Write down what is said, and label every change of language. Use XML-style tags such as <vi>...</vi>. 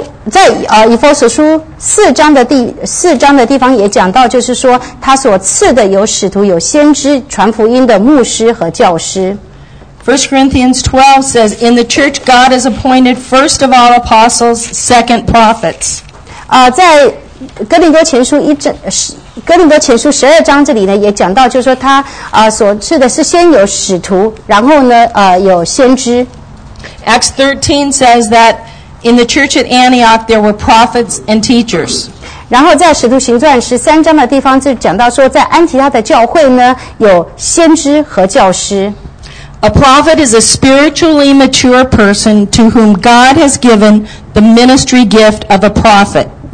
<zh>在以弗所书四章的地方也讲到，就是说他所赐的有使徒、有先知、传福音的牧师和教师。</zh> <en>First Corinthians 12 says, "In the church, God has appointed first of all apostles, second prophets."</en> <zh>在哥林多前书十二章这里呢，也讲到，就是说他所赐的是先有使徒，然后呢有先知。</zh> <en>Acts 13 says that. In the church at Antioch, there were prophets and teachers.</en> <zh>然后在使徒行传十三章的地方就讲到说，在安提阿的教会呢，有先知和教师。</zh> <en>A prophet is a spiritually mature person to whom God has given the ministry gift of a prophet.</en>